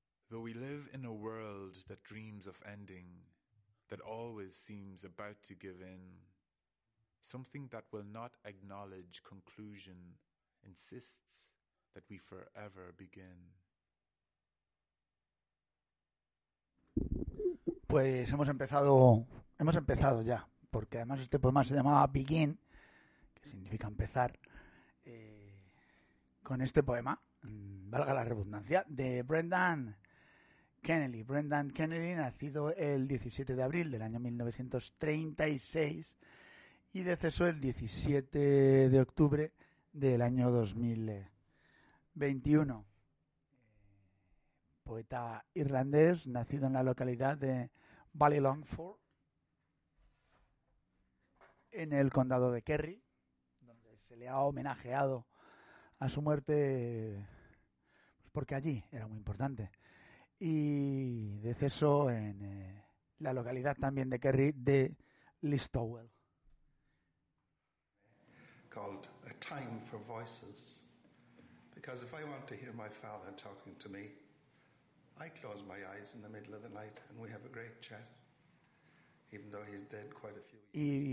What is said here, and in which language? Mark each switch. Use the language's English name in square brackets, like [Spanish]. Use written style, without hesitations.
[English] Though we live in a world that dreams of ending, that always seems about to give in, something that will not acknowledge conclusion insists that we forever begin. [Spanish] Pues hemos empezado ya, porque además este poema se llamaba Begin, que significa empezar, con este poema, valga la redundancia, de Brendan Kennelly. Brendan Kennelly, nacido el 17 de abril del año 1936, y deceso el 17 de octubre del año 2021. Poeta irlandés, nacido en la localidad de Ballylongford, en el condado de Kerry, donde se le ha homenajeado a su muerte, pues porque allí era muy importante. Y deceso en la localidad también de Kerry, de Listowel. [English] Called A Time for Voices, because if I want to hear my father talking to me, I close my eyes in the middle of the night and we have a great chat, even though he's dead quite a few years.